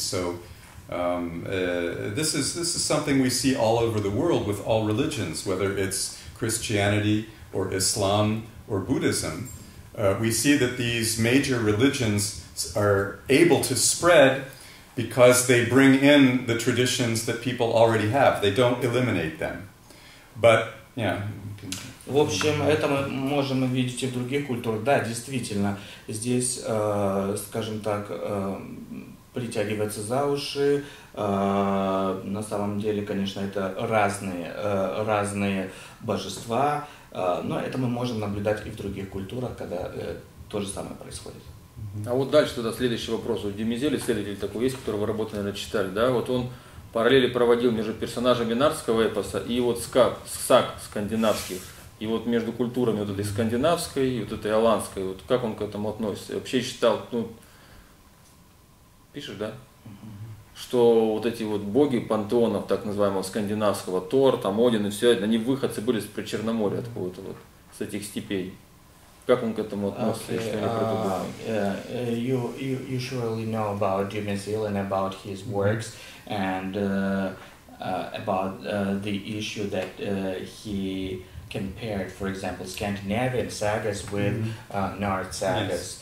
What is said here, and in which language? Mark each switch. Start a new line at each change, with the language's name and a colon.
English: So this is something we see all over the world with all religions, whether it's Christianity or Islam or Buddhism. We see that these major religions are able to spread because they bring in the traditions that people already have. They don't eliminate them. But, yeah.
Russian: В общем, это мы можем видеть и в других культурах. Да, действительно, здесь, скажем так, притягивается за уши. На самом деле, конечно, это разные божества. Но это мы можем наблюдать и в других культурах, когда то же самое происходит. А вот дальше тогда следующий вопрос. У Демизели следователь такой есть, которого работы, наверное, читали. Да? Вот он параллели проводил между персонажами нардского эпоса и вот саг скандинавских. И вот между культурами вот этой скандинавской и вот этой аландской, вот как он к этому относится? Я вообще считал, ну, пишешь, да? Что вот эти вот боги пантеонов, так называемого скандинавского, Тор, там Один и все это, они выходцы были с Причерноморья откуда-то вот, с этих степей. Как он к этому относится?
English: Okay, you surely know about Demizil and about his works and about the issue that he compared, for example, Scandinavian sagas with Nard sagas.